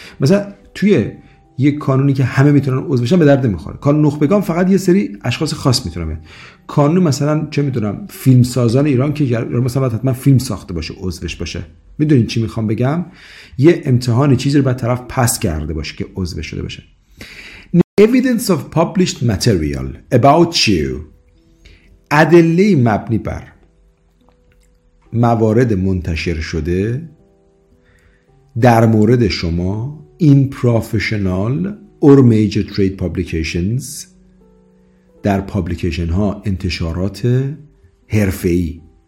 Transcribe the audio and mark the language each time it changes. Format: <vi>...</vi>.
<fa>مثلا توی یه کانونی که همه میتونن عضو بشن به درد نمیخوره، کانون نخبگان فقط یه سری اشخاص خاص میتونن بیان، کانون مثلا چه میدونم فیلمسازان ایران که مثلا باید حتما فیلم ساخته باشه عضوش باشه. میدونین چی میخوام بگم؟ یه امتحان چیزی رو باید طرف پاس کرده باشه که عضو شده باشه.</fa> <en>Evidence of published material about you.</en> <fa>ادله مبنی بر موارد منتشر شده در مورد شما in professional or major trade publications، در پابلیکیشن ها، انتشارات حرفه‌ای</fa>